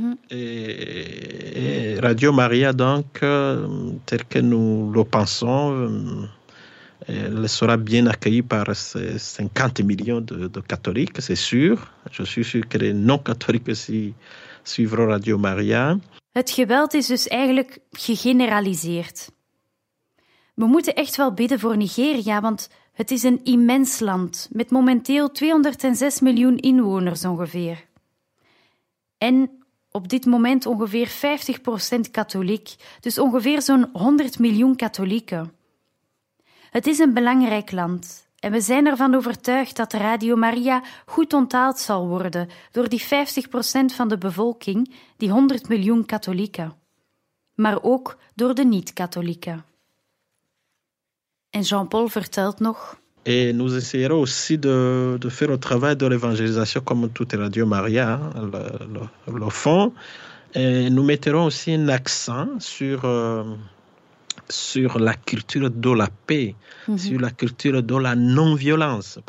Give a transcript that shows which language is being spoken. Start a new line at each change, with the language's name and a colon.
French: Et Radio Maria, donc, tel que nous le pensons, elle sera bien accueillie par ces 50 millions de catholiques, c'est sûr. Je suis sûr que les non-catholiques aussi suivre Radio Maria.
Dutch: Het geweld is dus eigenlijk gegeneraliseerd. We moeten echt wel bidden voor Nigeria, want het is een immens land met momenteel 206 miljoen inwoners ongeveer. En op dit moment ongeveer 50% katholiek, dus ongeveer zo'n 100 miljoen katholieken. Het is een belangrijk land en we zijn ervan overtuigd dat Radio Maria goed onthaald zal worden door die 50% van de bevolking, die 100 miljoen katholieken. Maar ook door de niet-katholieken. En Jean-Paul vertelt nog...
French: Et nous essayerons aussi de faire le travail de l'évangélisation comme toute Radio Maria le font. Et nous mettrons aussi un accent sur la culture de la paix, sur la culture de la non-violence.